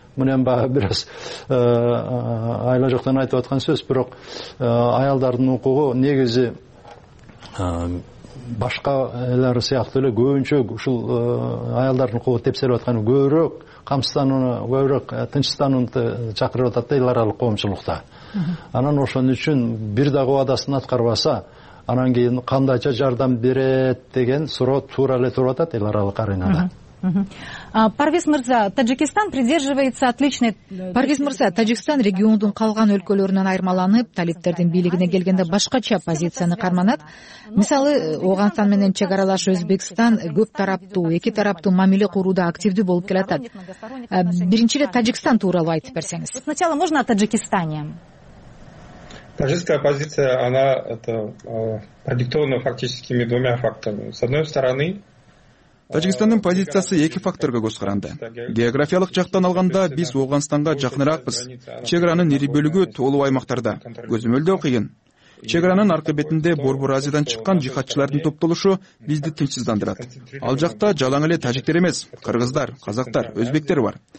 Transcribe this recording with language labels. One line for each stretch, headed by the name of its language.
Kyrgyz: Муну эми баягы бир аз айла жоктон айтып аткан сөз, бирок аялдардын укугу негизи башка элдер сыяктуу эле көбүнчө ушул аялдардын укугу тепселип атканы көбүрөөк камсыздануу, көбүрөөк тынчсызданууну чакырып атат да эл аралык коомчулукта. Анан ошон үчүн бир дагы убадасын аткарбаса, анан кийин кандайча жардам берет деген суроо туура эле туруп атат эл аралык аренада.
Russian: Парвиз мырза, Таджикистан придерживается отличной...
Kyrgyz: Парвиз мырза, Таджикистан региондун калган өлкөлөрүнөн айырмаланып, талиптердин бийлигине келгенде башкача позицияны карманат. Мисалы, Ооганстан менен чек аралаш Өзбекстан көп тараптуу, эки тараптуу мамиле курууда активдүү болуп келатат. Биринчи эле Таджикистан тууралуу айтып берсеңиз.
Russian: Сначала можно о Таджикистане. Таджикская позиция, она это продиктована фактическими двумя факторами. С одной стороны,
Kyrgyz: Таджикистандын позициясы эки факторго көз каранды. Географиялык жактан алганда биз Ооганстанга жакыныраакбыз. Чек аранын ири бөлүгү тоолуу аймактарда, көзөмөлдөө кыйын. Чек аранын аркы бетинде Борбор Азиядан чыккан жихатчылардын топтолушу бизди тынчсыздандырат. Ал жакта жалаң эле тажиктер эмес, кыргыздар, казактар, өзбектер бар.